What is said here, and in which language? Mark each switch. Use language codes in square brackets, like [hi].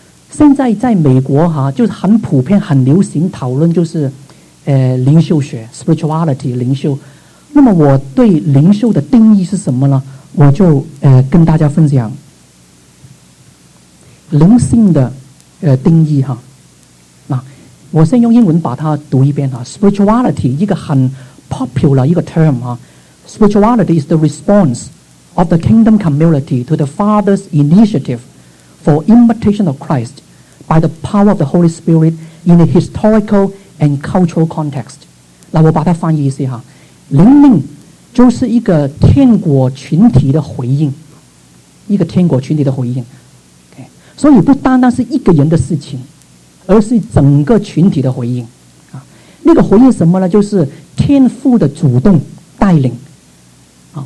[zh] 现在在美国哈，就是很普遍很流行讨论就是灵修学 spirituality 灵修。那么我对灵修的定义是什么呢？我就跟大家分享灵性的定义哈。那我先用英文把它读一遍哈。 spirituality 一个很 popular 一个 term 哈。 [en] spirituality is the response of the kingdom community to the father's initiative for imitation of Christ by the power of the Holy Spirit in a historical and cultural context。 [zh] 那我把它翻译一下哈，灵命就是一个天国群体的回应，一个天国群体的回应。所以不单单是一个人的事情，而是整个群体的回应啊。那个回应什么呢？就是天父的主动带领啊。